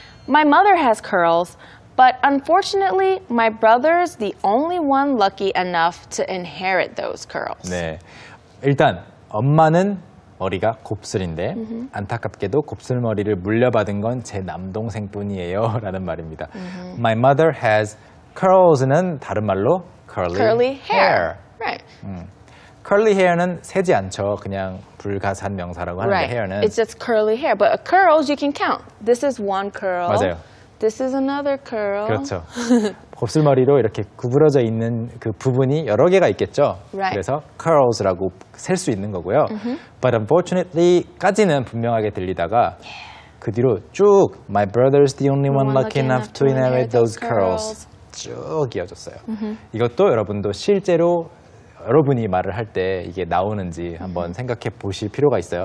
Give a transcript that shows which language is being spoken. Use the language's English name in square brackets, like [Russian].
[English] My mother has curls, but unfortunately, my brother's the only one lucky enough to inherit those curls. [Korean] 네, 일단 엄마는 머리가 곱슬인데 mm-hmm. 안타깝게도 곱슬 머리를 물려받은 건 제 남동생뿐이에요 라는 말입니다. [English] Mm-hmm. My mother has curls는 [Korean] 다른 말로 [English] curly hair. Right. Curly hair [Korean] 는 세지 않죠. 그냥 불가사한 명사라고 하는데 [English] right. [Korean] hair는 [English] It's just curly hair. But curls you can count. This is one curl. [Korean] 맞아요. [English] This is another curl. [Korean] 그렇죠. 곱슬머리로 이렇게 구부러져 있는 그 부분이 여러 개가 있겠죠. [English] Right. [Korean] 그래서 curls라고 셀 수 있는 거고요. Mm-hmm. [English] But unfortunately [Korean] 까지는 분명하게 들리다가 [English] yeah. [Korean] 그 뒤로 쭉 [English] My brother is the only one lucky enough to inherit those curls. [Korean] 쭉 이어졌어요. Mm-hmm. 이것도 여러분도 실제로 여러분이 말을 할 때 이게 나오는지 한번 mm-hmm. 생각해 보실 필요가 있어요.